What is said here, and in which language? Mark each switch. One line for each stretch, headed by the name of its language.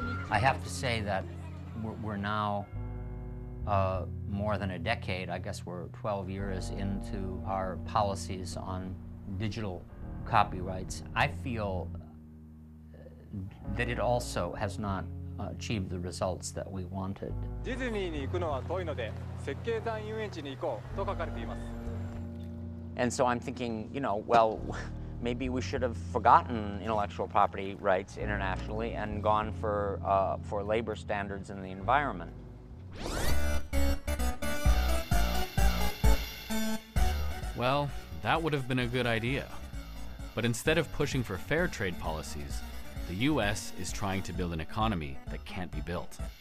English: I have to say that we're now more than a decade, I guess we're 12 years into our policies on digital copyrights. I feel that it also has not achieved the results that we wanted.
Japanese: ディズニーに行くのは遠いので、設計山遊園地に行こうと書かれています。
English: And so I'm thinking, you know, well, maybe we should have forgotten intellectual property rights internationally and gone for labor standards and the environment. Well, that would have been a good idea. But instead of pushing for fair trade policies, the US is trying to build an economy that can't be built.